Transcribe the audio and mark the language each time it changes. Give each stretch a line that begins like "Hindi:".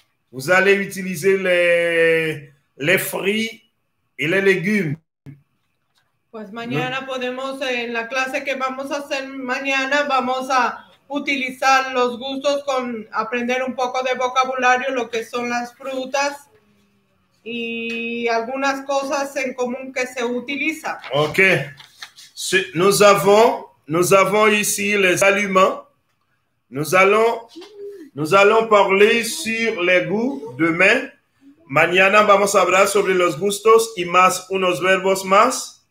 French: Vous allez utiliser les fruits et les légumes.
Spanish: Pues mañana podemos, en la clase que vamos a hacer mañana, vamos a utilizar los gustos con aprender un poco de vocabulario, lo que son las frutas y algunas cosas en común que se utilizan. Ok.
French: Nous avons ici les aliments. Nous allons parler sur les goûts demain.
Spanish: Mañana vamos a hablar sobre los gustos y más unos verbos más.